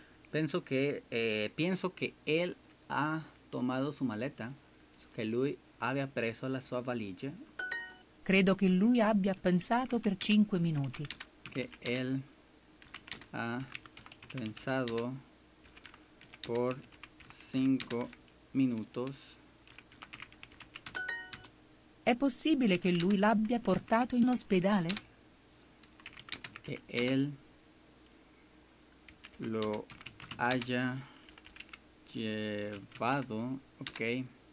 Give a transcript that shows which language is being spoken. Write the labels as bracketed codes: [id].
[es] Pienso que él ha tomado su maleta. [it] Che lui abbia preso la sua valigia. Credo che lui abbia pensato per 5 minuti. Che [es] él ha pensato por 5 minutos. [it] È possibile che lui l'abbia portato in ospedale? Che [es] él lo haya llevado, ok.